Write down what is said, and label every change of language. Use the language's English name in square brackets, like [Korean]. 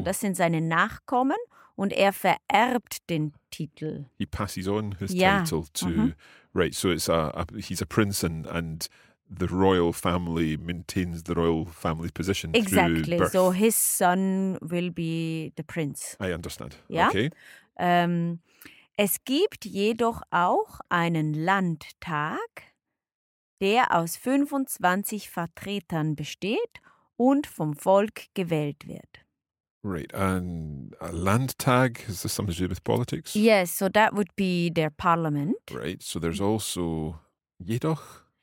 [German] das sind seine Nachkommen und er vererbt den Titel. [English] He passes on his title to Right, so it's he's a prince and the royal family maintains the royal family position. Exactly. Birth. So his son will be the prince. I understand. Yeah. Okay. [German] Es gibt jedoch auch einen Landtag, der aus 25 Vertretern besteht und vom Volk gewählt wird. [English] Right, and a Landtag, is this something to do with politics? Yes, so that would be their parliament. Right, so there's also jedoch?